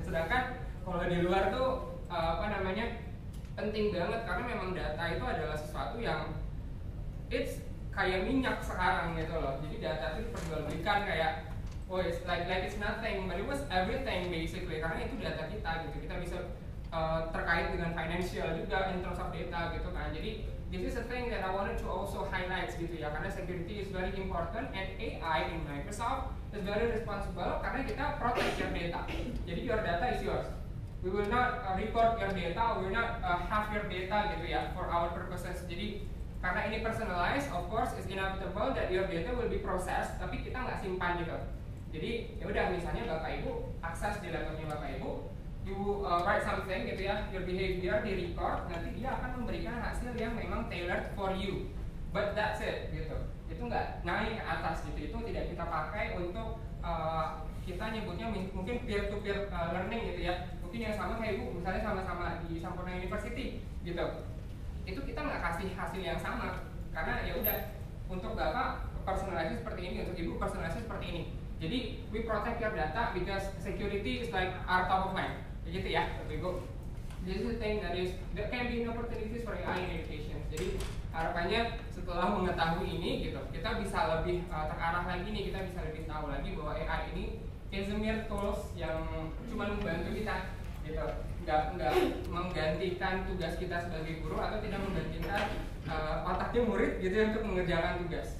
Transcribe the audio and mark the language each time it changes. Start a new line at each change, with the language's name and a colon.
Indonesian: Sedangkan kalau di luar tuh apa namanya, penting banget, karena memang data itu adalah sesuatu yang
English: it's
Indonesian: kayak minyak sekarang gitu loh. Jadi data itu diperjualbelikan kayak
English: oh it's like it's nothing, but it was everything basically,
Indonesian: karena itu data kita gitu. Kita bisa terkait dengan financial juga
English: in terms of data
Indonesian: gitu kan.
English: Jadi this is a thing that I wanted to also highlight gitu ya, karena security is very important and AI in Microsoft is very responsible
Indonesian: karena kita
English: protect your data. Jadi your data is yours. We will not report your data, we will not have your data gitu ya for our purposes.
Indonesian: Jadi karena ini
English: personalized, of course it's inevitable that your data will be processed,
Indonesian: tapi kita nggak simpan
English: gitu.
Indonesian: Jadi ya udah, misalnya Bapak Ibu akses di laptopnya Bapak Ibu,
English: you write something
Indonesian: gitu ya, your behavior di record, nanti dia akan memberikan hasil yang memang
English: tailored for you. But that's it gitu.
Indonesian: Itu nggak naik ke atas gitu. Itu tidak kita pakai untuk kita nyebutnya mungkin peer-to-peer learning gitu ya. Mungkin yang sama kayak Ibu, misalnya sama-sama di Sampurna University gitu. Itu kita nggak kasih hasil yang sama, karena ya udah untuk Bapak personalisasi seperti ini, untuk Ibu personalisasi seperti ini.
English: Jadi we protect your data because security is like our top of mind. Gitu ya, Bapak Ibu. This is the thing that is, there can be no opportunities for AI in education.
Indonesian: Jadi harapannya setelah mengetahui ini gitu, kita bisa lebih terarah lagi nih, kita bisa lebih tahu lagi bahwa AI ini
English: it's a mere tools
Indonesian: yang cuma membantu kita gitu. Nggak menggantikan tugas kita sebagai guru, atau tidak menggantikan otaknya murid gitu untuk mengerjakan tugas.